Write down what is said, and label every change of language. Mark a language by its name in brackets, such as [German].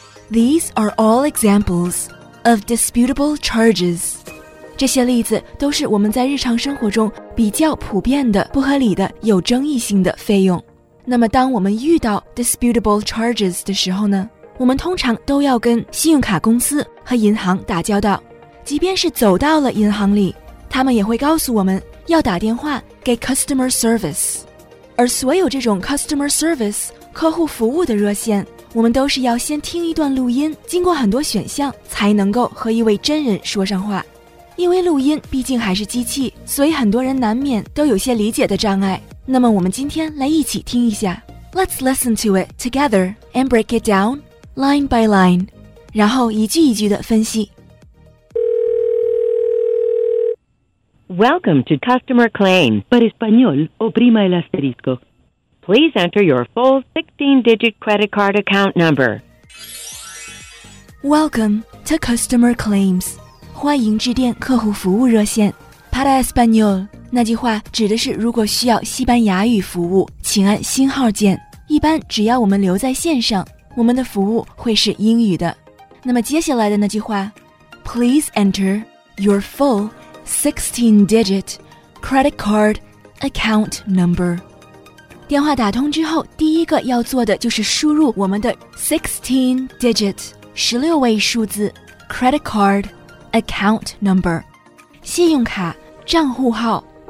[English] These are all examples of disputable charges. [Chinese] 这些例子都是我们在日常生活中比较普遍的、不合理的、有争议性的费用。那么当我们遇到 disputable charges 的时候呢，我们通常都要跟信用卡公司和银行打交道。即便是走到了银行里，他们也会告诉我们要打电话给 customer service。而所有这种 customer service 客户服务的热线，我们都是要先听一段录音，经过很多选项才能够和一位真人说上话。因为录音毕竟还是机器，所以很多人难免都有些理解的障碍。那么我们今天来一起听一下。 [English] Let's listen to it together and break it down line by line， [Chinese] 然后一句一句的分析。 [English] Welcome to customer claim [Spanish] para español o prima el asterisco. [English] Please enter your full 16-digit credit card account number. Welcome to customer claims. [Chinese] 欢迎致电客户服务热线。 [Spanish] Para español [Chinese] 那句话指的是如果需要西班牙语服务，请按星号键。一般只要我们留在线上，我们的服务会是英语的。那么接下来的那句话， [English] Please enter your full 16-digit credit card account number。 [Chinese] 电话打通之后，第一个要做的就是输入我们的 16-digit 16位数字 credit card account number 信用卡账户号。